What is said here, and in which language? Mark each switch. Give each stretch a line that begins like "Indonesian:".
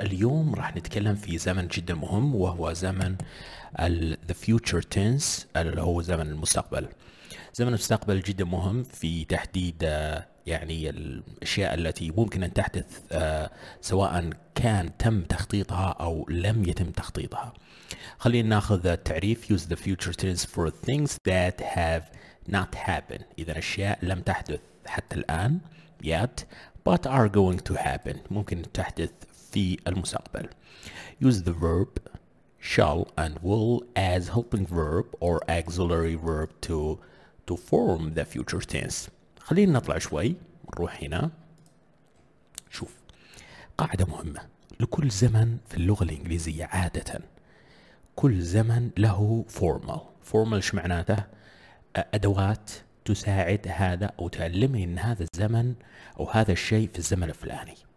Arabic: اليوم راح نتكلم في زمن جدا مهم، وهو زمن
English: the future tense،
Arabic: اللي هو زمن المستقبل. زمن المستقبل جدا مهم في تحديد يعني الأشياء التي ممكن أن تحدث، سواء كان تم تخطيطها أو لم يتم تخطيطها. خلينا ناخذ التعريف.
English: Use the future tense for things that have not happen.
Arabic: إذا أشياء لم تحدث حتى الآن
English: yet but are going to happen،
Arabic: ممكن تحدث في المستقبل.
English: Use the verb shall and will as helping verb or auxiliary verb to form the future tense.
Arabic: خلينا نطلع شوي، نروح هنا. شوف قاعدة مهمة لكل زمن في اللغة الإنجليزية. عادة كل زمن له formal. formal شو معناته؟ أدوات تساعد هذا أو تعلمني أن هذا الزمن أو هذا الشيء في الزمن الفلاني.